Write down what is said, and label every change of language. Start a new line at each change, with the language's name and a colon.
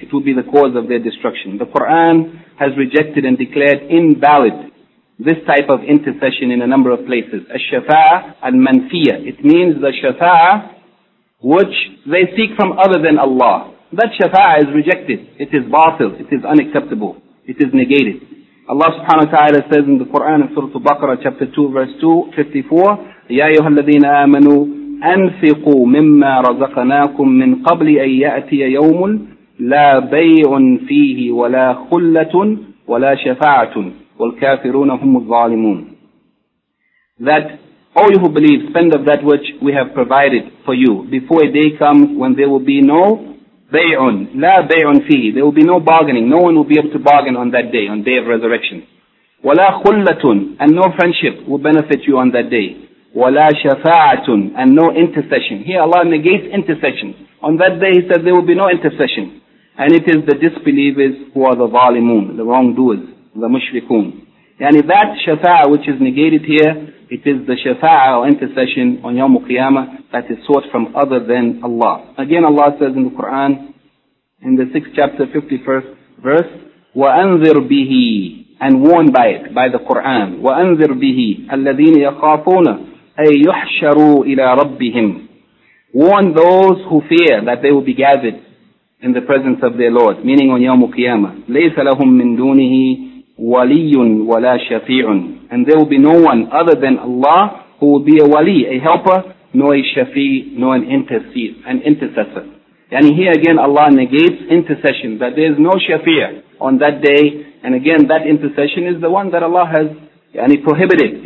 English: It will be the cause of their destruction. The Quran has rejected and declared invalid this type of intercession in a number of places. Ash-shafa'ah al-manfiyah. It means the shafa'ah which they seek from other than Allah. That shafa'ah is rejected. It is batil. It is unacceptable. It is negated. Allah subhanahu wa ta'ala says in the Quran in Surah Al-Baqarah chapter 2 verse 254,
Arabic: يَا أَيُّهَا الَّذِينَ آمَنُوا أَنْفِقُوا مِمَّا رَزَقَنَاكُمْ مِنْ قَبْلِ أَنْ يَأْتِيَ يَوْمٌ لَا بَيْعٌ فِيهِ وَلَا خُلَّةٌ وَلَا شَفَاعَةٌ وَالْكَافِرُونَ هُمُ الظَّالِمُونَ.
English: That all you who believe, spend of that which we have provided for you before a day comes when there will be no bay'un, la bay'un fi. There will be no bargaining. No one will be able to bargain on that day, on day of resurrection. Wala khullatun, and no friendship will benefit you on that day. Wala shafa'atun, and no intercession. Here Allah negates intercession. On that day He said there will be no intercession. And it is the disbelievers who are the zalimun, the wrongdoers, the mushrikun. And if that shafa'ah which is negated here, it is the shafa'ah or intercession on Yawm al-Qiyamah that is sought from other than Allah. Again, Allah says in the Quran, in the 6th chapter, 51st verse,
Arabic: وَأَنذِرْ بِهِ,
English: and warn by it, by the Quran,
Arabic: وَأَنذِرْ بِهِ الَّذِينَ يَخَافُونَ أَن يُحْشَرُوا إِلَىٰ رَبِّهِمْ.
English: Warn those who fear that they will be gathered in the presence of their Lord, meaning on يوم القيامة.
Arabic: ليس لهم من دونه ولي ولا شفيع.
English: And there will be no one other than Allah who will be a wali, a helper, nor a shafi, nor an intercessor. And here again Allah negates intercession, that there is no shafi on that day. And again, that intercession is the one that Allah has يعني prohibited.